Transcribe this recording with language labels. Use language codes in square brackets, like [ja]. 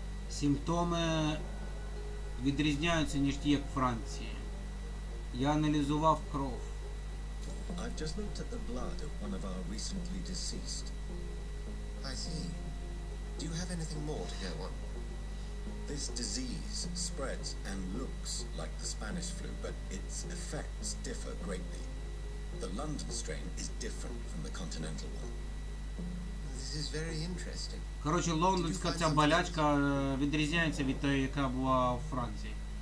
[uk] Симптоми відрізняються, ніж ті, як в Франції. Я аналізував кров. [en] I've just looked at the blood of one of our recently deceased. I see. Do you have anything more to go on? This disease spreads and looks like the Spanish flu, but its effects differ greatly. The London strain is different from the continental one. This is very interesting. [uk] Короче, лондонська ця болячка відрізняється від тої, яка була у Франції.